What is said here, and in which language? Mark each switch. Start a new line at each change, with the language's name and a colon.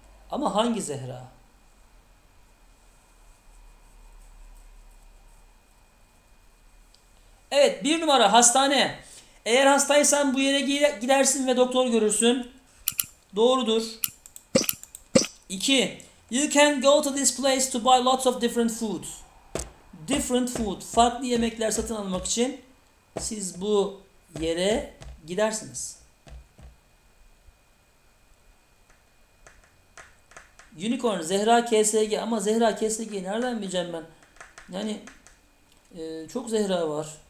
Turkish: Ama hangi Zehra? Evet, bir numara hastane. Eğer hastaysan bu yere gidersin ve doktor görürsün. Doğrudur. İki,
English: You can go to this place to buy lots of different food. Different food.
Turkish: Farklı yemekler satın almak için siz bu yere gidersiniz. Unicorn, Zehra KSG, ama Zehra KSG'yi nereden bileceğim ben? Yani çok Zehra var.